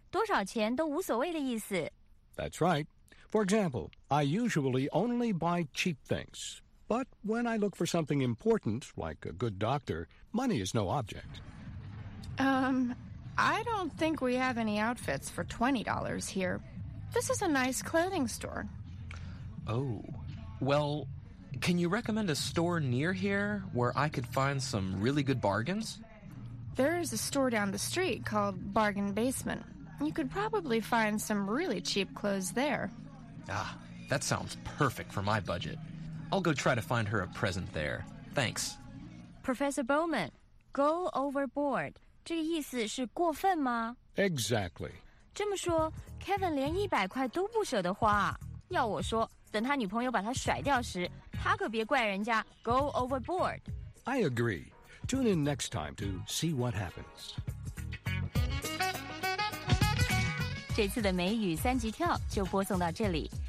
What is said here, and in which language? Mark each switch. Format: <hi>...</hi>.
<zh>多少钱都无所谓的意思。</zh> <en>That's right. For example, I usually only buy cheap things. But when I look for something important, like a good doctor, money is no object. I don't think we have any outfits for $20 here. This is a nice clothing store. Oh, well, can you recommend a store near here where I could find some really good bargains? There is a store down the street called Bargain Basement. You could probably find some really cheap clothes there. Ah, that sounds perfect for my budget. I'll go try to find her a present there. Thanks.</en> <zh>Professor Bowman, go overboard. 这个意思是过分吗？</zh> <en>Exactly.</en> <zh>这么说 ,Kevin 连100块都不舍得花。要我说，等他女朋友把他甩掉时，他可别怪人家 go overboard.</zh> <en>I agree. Tune in next time to see what happens.</en> <zh>这次的美语三级跳就播送到这里。</zh>